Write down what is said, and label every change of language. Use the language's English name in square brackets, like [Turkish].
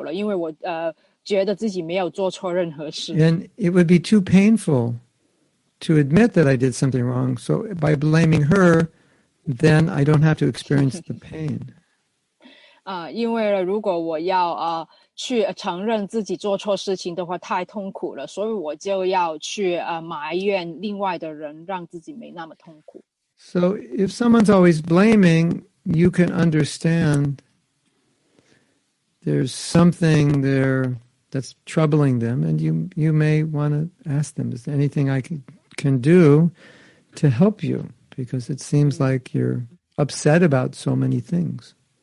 [Chinese] 所以我现在感觉良好了，因为我觉得自己没有做错任何事。 [English] And it would be too painful to admit that I did something wrong. So by blaming her, then I don't have to experience the pain. [Chinese] 因为如果我要去承认自己做错事情的话，太痛苦了，所以我就要去埋怨另外的人，让自己没那么痛苦。 [English] So if someone's always blaming, you can understand there's something there that's troubling them, and you may want to ask them, is there anything I can do to help you? Because it seems like you're upset about so many things.